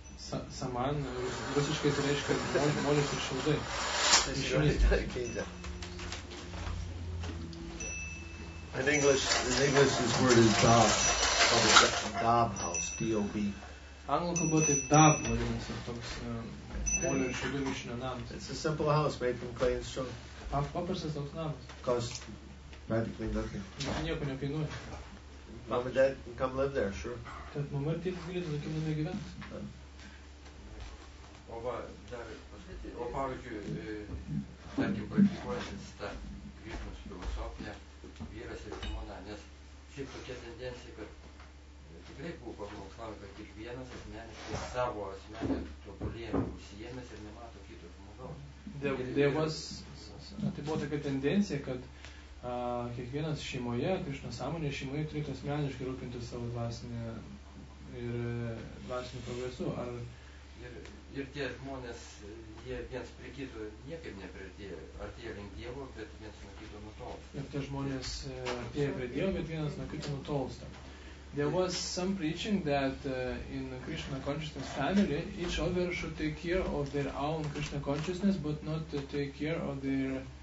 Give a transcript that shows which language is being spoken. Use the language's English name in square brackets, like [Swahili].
[Lithuanian] Saman rusiškai tai reiškia molis ir šiaudai. [English] In English this word is dab. Called a dab house, D-O-B. [Lithuanian] Anglų kalba tai dab vadinasi, toks molio šiaudų mišinio namas. [English] It's a simple house made from clay and straw. [Lithuanian] Paprastas toks namas. [English] Cost practically nothing. [Lithuanian] Nieko nekainuoja. [English] Mom and dad can come live there, sure. [Lithuanian] Tad mama ir tėtis galėtų tokiam name gyventi. O va, dar, o pavyzdžiui, tarkim, praktikuojantis tą Krishnos filosofiją, vyras ir žmona, nes šiaip tokia tendencija, kad tikrai buvo pamokslavę, kad kiekvienas asmeniškai savo asmenį tobulėjimą užsiėmęs ir nemato kito žmogaus. Tai buvo tokia tendencija, kad kiekvienas šeimoje, Krishna sąmonė, šeimoje turėtų asmeniškai rūpinti savo dvasinį ir dvasinį progresu. Ar... Ir tie žmonės, jie viens prie kito niekaip nepriartėjo, artėjo link Dievo, bet viens nuo kito nutolsta. Ir tie žmonės artėjo prie Dievo, bet vienas nuo kito nutolsta. [English] There was some preaching that in the Krishna consciousness family, each other should take care of their own Krishna consciousness, but not take care of their